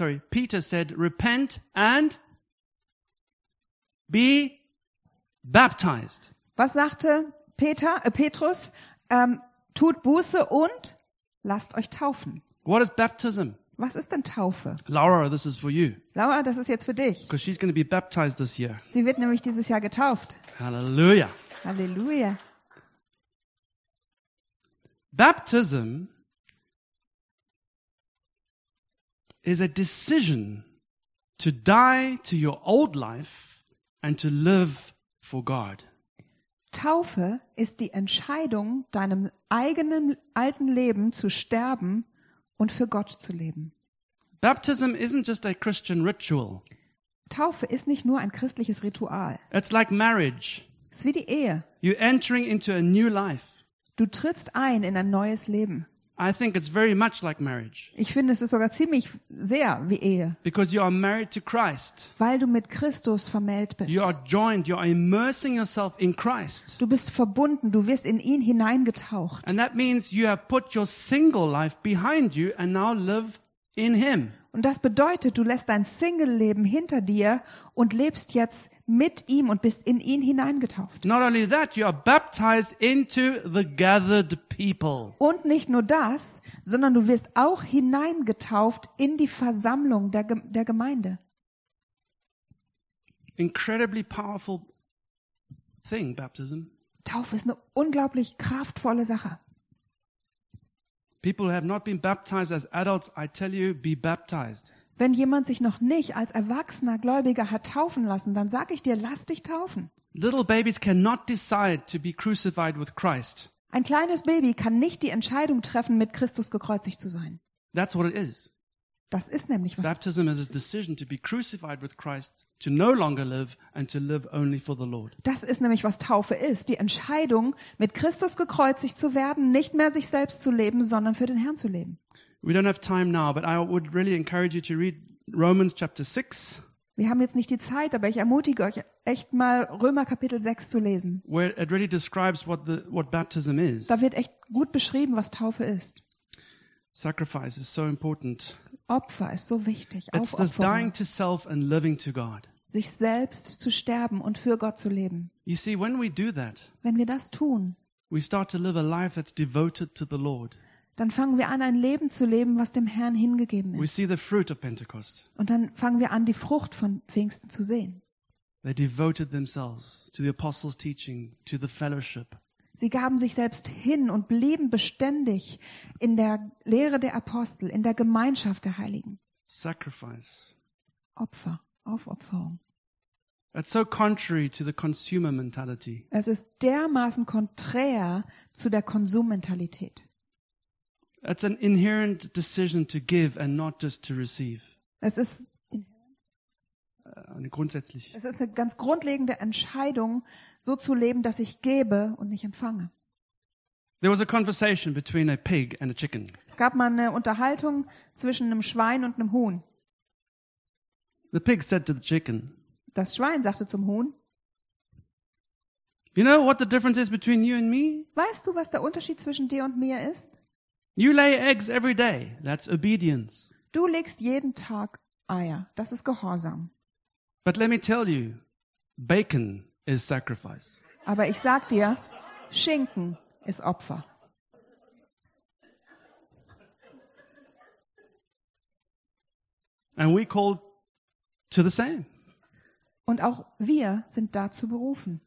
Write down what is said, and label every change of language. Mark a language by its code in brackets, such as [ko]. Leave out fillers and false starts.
[en] Peter said, repent and be baptized. [de] Was sagte Petrus? Tut Buße und lasst euch taufen. [en] What is baptism? [de] Was ist denn Taufe? [en] Laura, this is for you. [de] Laura, das ist jetzt für dich. [en] Because she's going to be baptized this year. [de] Sie wird nämlich dieses Jahr getauft. [en] Halleluja. [de] Halleluja. [en] Baptism is a decision to die to your old life and to live for God. [de] Taufe ist die Entscheidung, deinem eigenen alten Leben zu sterben und für Gott zu leben. [en] Baptism isn't just a Christian ritual. [de] Taufe ist nicht nur ein christliches Ritual. [en] It's like marriage. [de] Es ist wie die Ehe. [en] You're entering into a new life. [de] Du trittst ein in ein neues Leben. [en] I think it's very much like marriage. [de] Ich finde, es ist sogar ziemlich sehr wie Ehe. [en] Because you are married to Christ. [de] Weil du mit Christus vermählt bist. [en] You are joined, you are immersing yourself in Christ. [de] Du bist verbunden, du wirst in ihn hineingetaucht. [en] And that means you have put your single life behind you and now live in him. [de] Und das bedeutet, du lässt dein Single-Leben hinter dir und lebst jetzt mit ihm und bist in ihn hineingetauft. [en] Not only that, you are baptized into the gathered people. [de] Und nicht nur das, sondern du wirst auch hineingetauft in die Versammlung der Gemeinde. [en] Incredibly powerful thing, baptism. [de] Taufe ist eine unglaublich kraftvolle Sache. [en] People who have not been baptized as adults, I tell you, be baptized. [de] Wenn jemand sich noch nicht als erwachsener Gläubiger hat taufen lassen, dann sage ich dir, lass dich taufen. [en] Little babies cannot decide to be crucified with Christ. [de] Ein kleines Baby kann nicht die Entscheidung treffen, mit Christus gekreuzigt zu sein. [en] That's what it is. [de] Das ist nämlich was. [en] Baptism is a decision to be crucified with Christ, to no longer live and to live only for the Lord. [de] Das ist nämlich was Taufe ist, die Entscheidung, mit Christus gekreuzigt zu werden, nicht mehr sich selbst zu leben, sondern für den Herrn zu leben. [en] We don't have time now, but I would really encourage you to read Romans chapter 6. [de] Wir haben jetzt nicht die Zeit, aber ich ermutige euch echt mal Römer Kapitel 6 zu lesen. [en] Where it really describes what baptism is. [de] Da wird echt gut beschrieben, was Taufe ist. [en] Sacrifice is so important. [de] Opfer ist so wichtig. [en] It's this dying to self and living to God. [de] Sich selbst zu sterben und für Gott zu leben. [en] You see, when we do that, [de] wenn wir das tun, [en] we start to live a life that's devoted to the Lord. [de] Dann fangen wir an, ein Leben zu leben, was dem Herrn hingegeben ist. [en] We see the fruit of Pentecost. [de] Und dann fangen wir an, die Frucht von Pfingsten zu sehen. [en] They devoted themselves to the apostles' teaching, to the fellowship. [de] Sie gaben sich selbst hin und blieben beständig in der Lehre der Apostel, in der Gemeinschaft der Heiligen. [en] Sacrifice. [de] Opfer, Aufopferung. [en] It's so contrary to the consumer mentality. [de] Es ist dermaßen konträr zu der Konsummentalität. [en] It's an inherent decision to give and not just to receive. [de] Es ist eine ganz grundlegende Entscheidung, so zu leben, dass ich gebe und nicht empfange. [en] There was a conversation between a pig and a chicken. [de] Es gab mal eine Unterhaltung zwischen einem Schwein und einem Huhn. [en] The pig said to the chicken, [de] das Schwein sagte zum Huhn, [en] you know what the difference is between you and me? [de] Weißt du, was der Unterschied zwischen dir und mir ist? [en] You lay eggs every day. That's obedience. [de] Du legst jeden Tag Eier. Das ist Gehorsam. [en] But let me tell you, bacon is sacrifice. [de] Aber ich sag dir, Schinken ist Opfer. [en] And we called to the same. [de] Und auch wir sind dazu berufen.